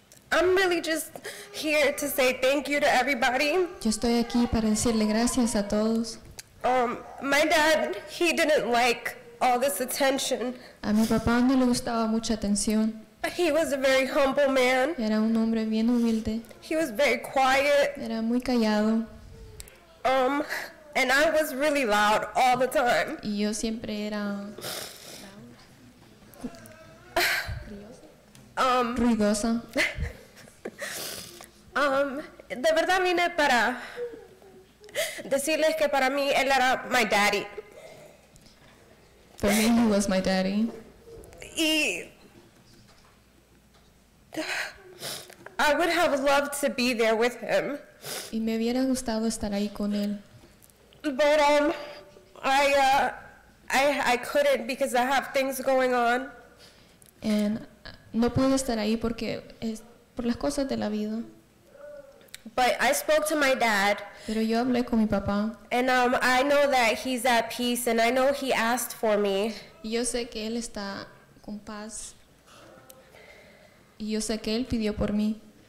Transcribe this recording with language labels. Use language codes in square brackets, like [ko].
[en] I'm really just here to say thank you to everybody. [es] Yo estoy aquí para decirle gracias a todos. [en] My dad, he didn't like all this attention. [es] A mi papá no le gustaba mucha atención. [en] He was a very humble man. [es] Era un hombre bien humilde. [en] He was very quiet. [es] Era muy callado. [en] And I was really loud all the time. [es] Y yo siempre era ruidosa. De verdad vine para decirles que para mí él era [en] my daddy. For me, he was my daddy. Y I would have loved to be there with him. [es] Y me hubiera gustado estar ahí con él. [en] But I couldn't because I have things going on. [es] And no pude estar ahí porque es por las cosas de la vida. [en] But I spoke to my dad. [es] Pero yo hablé con mi papá. [en] And I know that he's at peace and I know he asked for me. [es] Y yo sé que él está con paz. Y yo sé que él pidió por mí.